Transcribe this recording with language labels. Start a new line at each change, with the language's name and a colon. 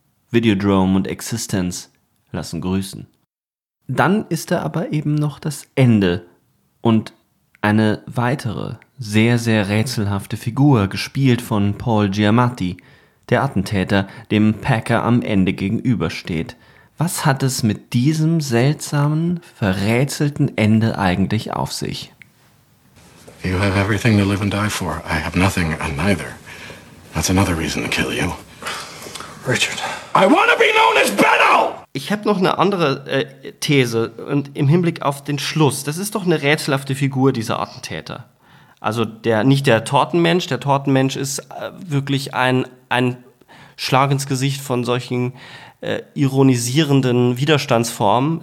German: Videodrome und Existence lassen grüßen. Dann ist da aber eben noch das Ende und eine weitere, sehr, sehr rätselhafte Figur, gespielt von Paul Giamatti, der Attentäter, dem Packer am Ende gegenübersteht. Was hat es mit diesem seltsamen, verrätselten Ende eigentlich auf sich?
English: You have everything to live and die for. I have nothing and neither. That's another reason to kill you. Richard. I want to be known as Benno!
German: Ich habe noch eine andere These und im Hinblick auf den Schluss. Das ist doch eine rätselhafte Figur, dieser Attentäter. Also nicht der Tortenmensch. Der Tortenmensch ist wirklich ein Schlag ins Gesicht von solchen ironisierenden Widerstandsformen.